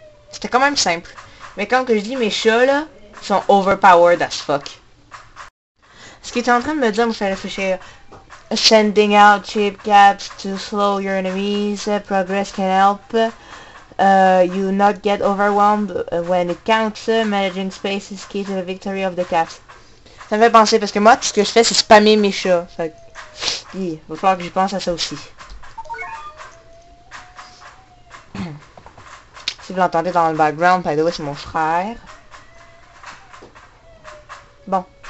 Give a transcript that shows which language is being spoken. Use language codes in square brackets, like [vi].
[fr] C'était quand même simple. Mais comme que je dis, mes chats là, sont [en] overpowered as fuck. [fr] Ce qui est en train de me dire, me fait réfléchir. [en] Sending out cheap caps to slow your enemies, progress can help. You not get overwhelmed when it counts. Managing space is key to the victory of the caps. [fr] Ça me fait penser parce que moi, tout ce que je fais, c'est spammer mes chats. Fait que... Il va falloir que j'y pense à ça aussi. Si vous l'entendez dans le background, [en] by the way, [fr] c'est mon frère. Bon.